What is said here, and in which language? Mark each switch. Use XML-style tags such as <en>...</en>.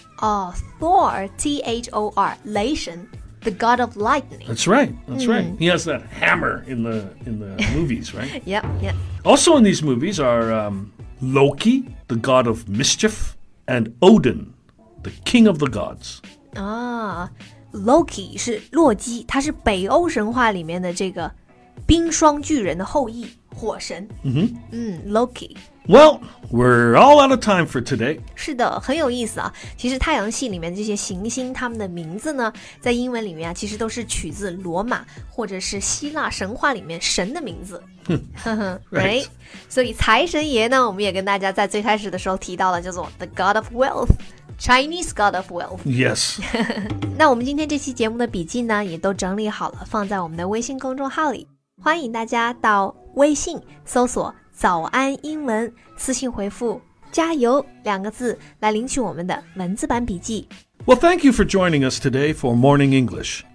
<en>Oh, Thor, T-H-O-R, 雷神, the god of lightning. That's right, that's right. He has that hammer in the movies, right? Yep. Also in these movies are Loki, the god of mischief, and Odin, the king of the gods.</en> <zh>Ah,Loki 是洛基，他是北欧神话里面的这个冰霜巨人的后裔，火神。</zh> <en>Loki. Well, we're all out of time for today.</en> <zh>是的，很有意思啊。其实太阳系里面这些行星，他们的名字呢，在英文里面啊，其实都是取自罗马或者是希腊神话里面神的名字。</zh> <en>Right.</en> <zh>所以财神爷呢，我们也跟大家在最开始的时候提到了，叫做</zh> <en>The God of Wealth. Chinese God of Wealth. Yes.</en> <zh>那我们今天这期节目的笔记呢也都整理好了放在我们的微信公众号里。欢迎大家到微信搜索早安英文私信回复加油两个字来领取我们的文字版笔记。</zh> <en>Well, thank you for joining us today for Morning English.</en>